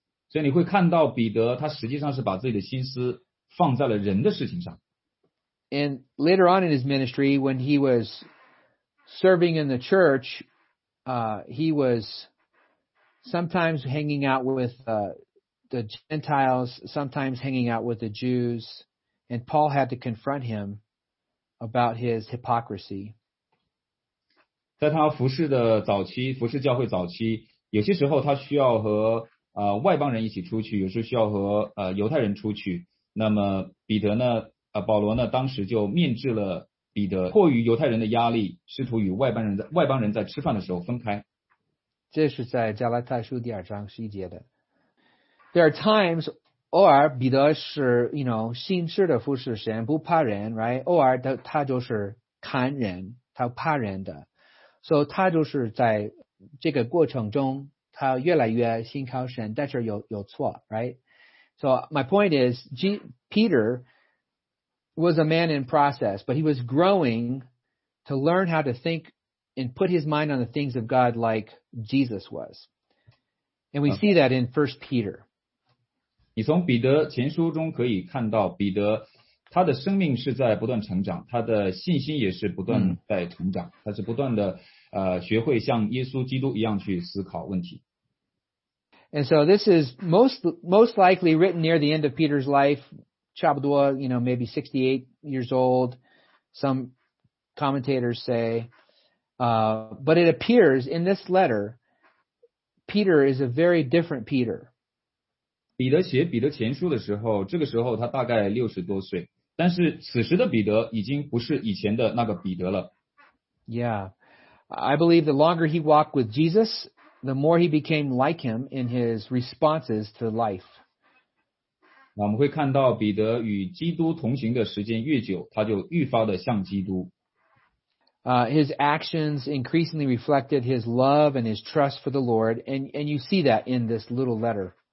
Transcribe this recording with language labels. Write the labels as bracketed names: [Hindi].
[Chinese] 所以你会看到彼得他实际上是把自己的心思放在了人的事情上 [English] And later on in his ministry when he was serving in the church he was sometimes hanging out with the Gentiles sometimes hanging out with the Jews, and Paul had to confront him about his hypocrisy. [Chinese] 在他服事的早期，服事教会早期，有些时候他需要和外邦人一起出去，有时候需要和犹太人出去。那么彼得呢，保罗呢，当时就面制了彼得，迫于犹太人的压力，试图与外邦人在吃饭的时候分开。这是在加拉太书第二章十一节的。 [English] There are times, [Chinese] 偶尔彼得是 [English] you know [Chinese] 信实的服事神，不怕人 ，right？偶尔他就是看人，他怕人的。所以他就是在这个过程中他越来越信靠神，但是有错 [English] right? So my point is Peter was a man in process, but he was growing to learn how to think and put his mind on the things of God like Jesus was. And we see that in 1 Peter. [Chinese] 你从彼得前书中可以看到彼得他的生命是在不断成长，他的信心也是不断在成长，他是不断的学会像耶稣基督一样去思考问题。 [English] And so this is most likely written near the end of Peter's life, [Chinese] 差不多 [English] you know, maybe 68 years old, some commentators say. But it appears in this letter, Peter is a very different Peter. [Chinese] 彼得写彼得前书的时候，这个时候他大概60多岁。但是此时的彼得已经不是以前的那个彼得了。 [English] Yeah, I believe the longer he walked with Jesus, the more he became like him in his responses to life. [Chinese] 我们会看到彼得与基督同行的时间越久，他就愈发的像基督。 [English] His actions increasingly reflected his love and his trust for the Lord, and you see that in this little letter.